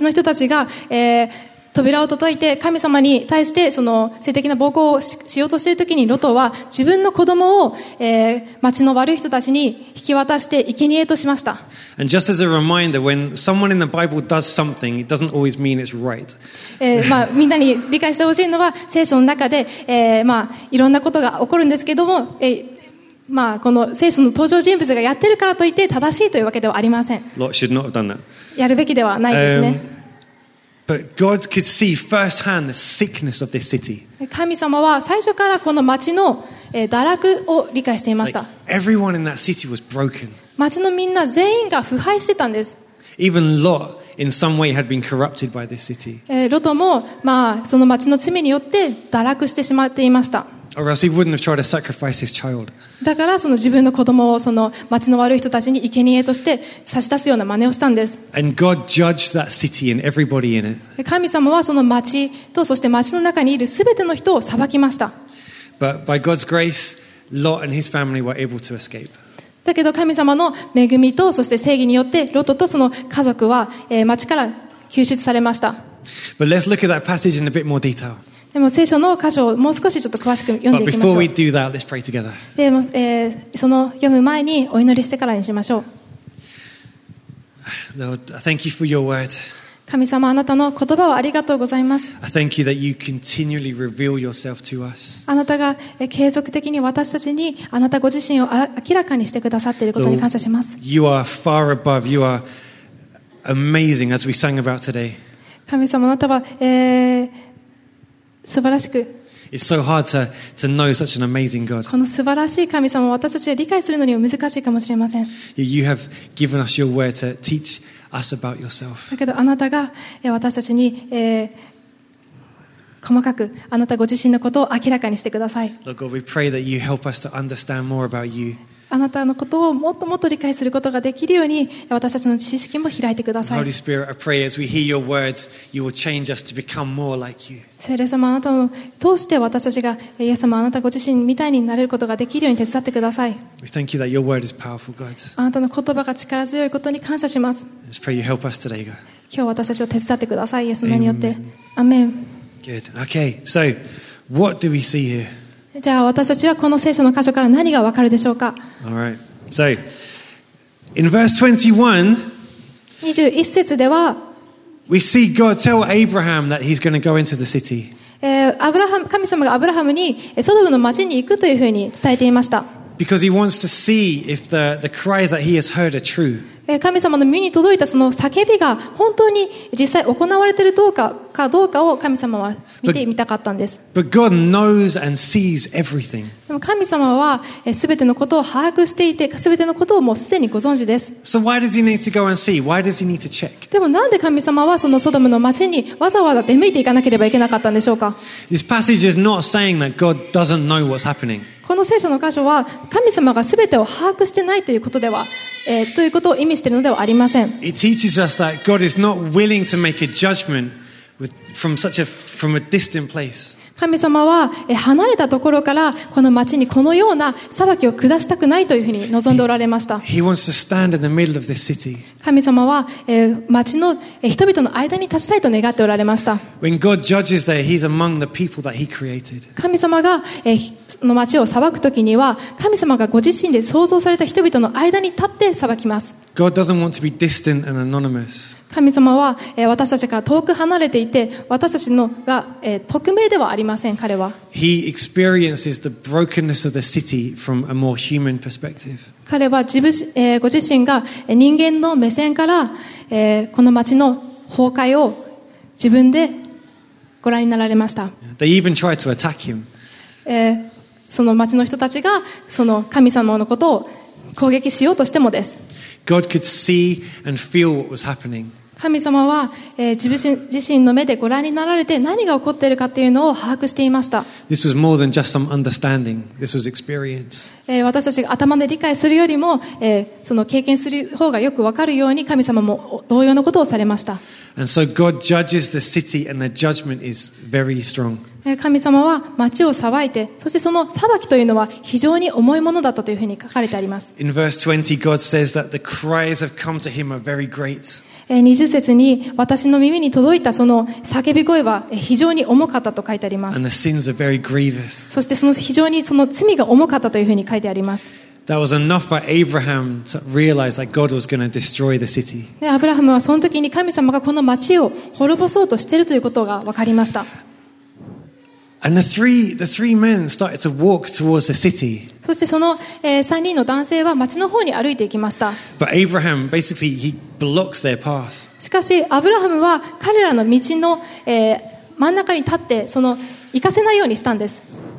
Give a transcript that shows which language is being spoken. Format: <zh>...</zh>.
<ja>の人たちが、扉を叩いて神様に対してその性的な暴行を しようとしているときに、ロトは自分の子供を、町の悪い人たちに引き渡して生贄としました。</ja> <en>And just as a reminder, when someone in the Bible does something, it doesn't always mean it's right.</en> <ja>みんなに理解してほしいのは、聖書の中で、いろんなことが起こるんですけども、この聖書の登場人物がやってるからといって正しいというわけではありません。</ja> <en>Lot should not have done that.</en> <ja>やるべきではないですね。</ja> <en>But God could see firsthand the sickness of this city.</en> <ja>神様は最初からこの町の堕落を理解していました。</ja> <en>Like, everyone in that city was broken.</en> <ja>町のみんな全員が腐敗してたんです。</ja> <en>Even Lot, in some way, had been corrupted by this city.</en> <ja>ロトも、その町の罪によって堕落してしまっていました。</ja> <en>Or else he wouldn't have tried to sacrifice his child.</en> <ja>だからその自分の子供をその町の悪い人たちに生贄として差し出すような真似をしたんです。</ja> <en>And God judged that city and everybody in it.</en> <ja>神様はその町とそして町の中にいるすべての人を裁きました。</ja> <en>But by God's grace, Lot and his family were able to escape.</en> <ja>だけど神様の恵みとそして正義によって、ロトとその家族は町から救出されました。</ja> <en>But let's look at that passage in a bit more detail.</en> <ja>でも聖書の箇所をもう少しちょっと詳しく読んでいきましょう。</ja> <en>But before we do that, let's pray together.</en> <ja>でも、その読む前にお祈りしてからにしましょう。</ja> <en>Lord, I thank you for your word.</en> <ja>神様、あなたの言葉をありがとうございます。</ja> <en>I thank you that you continually reveal yourself to us.</en> <ja>あなたが継続的に私たちにあなたご自身を明らかにしてくださっていることに感謝します。</ja> <en>Lord, you are far above. You are amazing, as we sang about today.</en> <ja>神様、あなたは、素晴らしく。</ja> <en>It's so hard to know such an amazing God.</en> <ja>この素晴らしい神様を私たちは理解するのには難しいかもしれません。</ja> <en>You have given us your word to teach us about yourself.</en> <ja>だけどあなたが私たちに、細かくあなたご自身のことを明らかにしてください。</ja> <en>Lord God, we pray that you help us to understand more about you.</en> <ja>あなたのことをもっともっと理解することができるように私たちの知識も開いてください。</ja> <en>Holy Spirit, I pray as we hear your words, you will change us to become more like you.</en> <ja>聖霊様、あなたを通して私たちがイエス様、あなたご自身みたいになれることができるように手伝ってください。</ja> <en>We thank you that your word is powerful, God.</en> <ja>あなたの言葉が力強いことに感謝します。</ja> <en>Let's pray you help us today, God.</en> <ja>今日私たちを手伝ってください、イエス様によって。</ja> <en>Amen. Good. Okay. So, what do we see here?</en> <ja>じゃあ私たちはこの聖書の箇所から何がわかるでしょうか。</ja> <en>All right. So, in verse</en> <ja>21節では、</ja> <en>We see God tell Abraham that he's going to go into the city.</en> <ja>アブラハム、神様がアブラハムにソドムの町に行くというふうに伝えていました。</ja> <en>Because he wants to see if the cries that he has heard are true.</en> <ja>神様の耳に届いたその叫びが本当に実際行われているどうかかどうかを神様は見てみたかったんです。</ja> <en>But God knows and sees everything.</en> <ja>でも神様はすべてのことを把握していて、すべてのことをもうすでにご存知です。</ja> <en>So why does he need to go and see? Why does he need to check?</en> <ja>でもなんで神様はそのソドムの町にわざわざ出向いていかなければいけなかったんでしょうか?</ja> <en>This passage is not saying that God doesn't know what's happening.</en> <ja>この聖書の箇所は神様がすべてを把握してないということでは、ということを意味しているのではありません。</ja> <en>It teaches us that God is not willing to make a judgment from a distant place.</en> <ja>神様は離れたところからこの町にこのような裁きを下したくないというふうに望んでおられました。</ja> <en>He wants to stand in the middle of this city.</en> <ja>神様は町の人々の間に立ちたいと願っておられました。</ja> <en>When God judges there, He's among the people that He created.</en> <ja>神様がの町を裁くときには神様がご自身で創造された人々の間に立って裁きます。</ja> <en>God doesn't want to be distant and anonymous.</en> <ja>神様は私たちから遠く離れていて私たちのが匿名ではありません。彼は</ja> <en>He experiences the brokenness of the city from a more human perspective.</en> <ja>彼は自分、ご自身が人間の目線から、この町の崩壊を自分でご覧になられました。</ja> <en>They even tried to attack him.</en> <ja>その町の人たちがその神様のことを攻撃しようとしてもです。</ja> <en>God could see and feel what was happening.</en> <ja>神様は、自身の目でご覧になられて何が起こっているかというのを把握していました。</ja> <en>This was more than just some understanding. This was experience.</en> <ja>私たちが頭で理解するよりも、その経験する方がよく分かるように神様も同様のことをされました。</ja> <en>And so God judges the city and the judgment is very strong.</en> <ja>神様は町を裁いて、そしてその裁きというのは非常に重いものだったというふうに書かれてあります。</ja> <en>In verse 20, God says that the cries have come to him are very great.</en> <ja>20節に私の耳に届いたその叫び声は非常に重かったと書いてあります。</ja> <en>And the sins are very grievous.</en> <ja>そしてその非常にその罪が重かったというふうに書いてあります。</ja> <en>That was enough for Abraham to realize that God was going to destroy the city.</en> <ja>アブラハムはその時に神様がこの町を滅ぼそうとしているということが分かりました。</ja> <en>And the three men started to walk towards the city.</en> <ja>そしてその、3人の男性は町の方に歩いていきました。</ja> <en>But Abraham basically he blocks their path.</en> <ja>しかしアブラハムは彼らの道の、真ん中に立ってその行かせないようにしたんです。</ja>